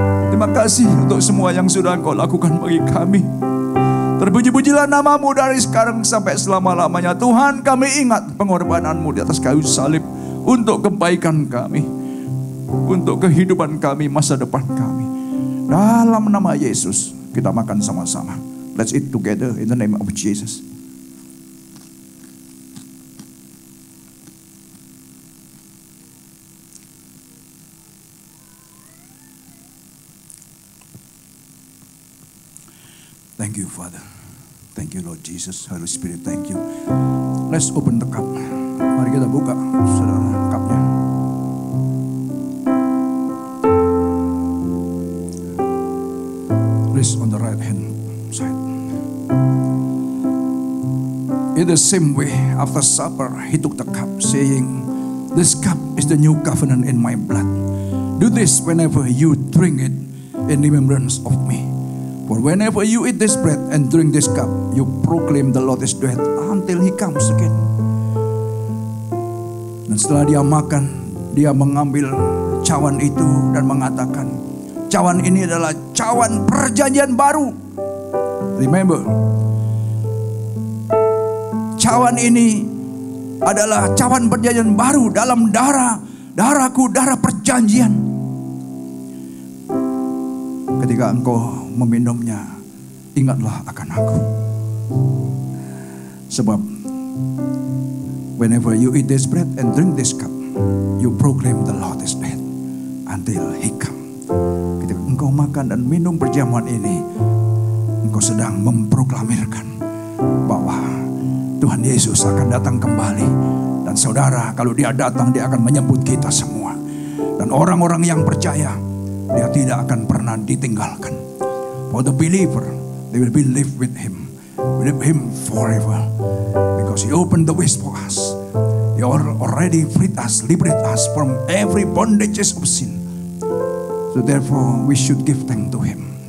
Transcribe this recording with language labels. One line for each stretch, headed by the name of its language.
Indonesian: Terima kasih untuk semua yang sudah Engkau lakukan bagi kami. Terpuji-pujilah nama-Mu dari sekarang sampai selama-lamanya. Tuhan, kami ingat pengorbanan-Mu di atas kayu salib untuk kebaikan kami, untuk kehidupan kami, masa depan kami. Dalam nama Yesus, kita makan sama-sama.
English: Let's eat together in the name of Jesus. Thank you, Father. Thank you, Lord Jesus, Holy Spirit, thank you. Let's open the cup.
Indonesian: Mari kita buka, saudara, cup-nya.
English: Please, on the right hand side. In the same way, after supper, he took the cup, saying, this cup is the new covenant in my blood. Do this whenever you drink it in remembrance of me. For whenever you eat this bread and drink this cup, you proclaim the Lord is dead until he comes again.
Indonesian: Dan setelah dia makan, dia mengambil cawan itu dan mengatakan, cawan ini adalah cawan perjanjian baru. Remember, cawan ini adalah cawan perjanjian baru dalam darahku, darah perjanjian. Ketika engkau meminumnya, ingatlah akan aku.
English: Sebab whenever you eat this bread and drink this cup, you proclaim the Lord is dead until he come.
Indonesian: Ketika engkau makan dan minum perjamuan ini, engkau sedang memproklamirkan bahwa Tuhan Yesus akan datang kembali. Dan saudara, kalau dia datang, dia akan menyambut kita semua. Dan orang-orang yang percaya, dia tidak akan pernah ditinggalkan.
English: For the believer, they will be live with him. With him forever. Because he opened the ways for us. He already freed us, liberated us from every bondage of sin. So therefore, we should give thanks to him.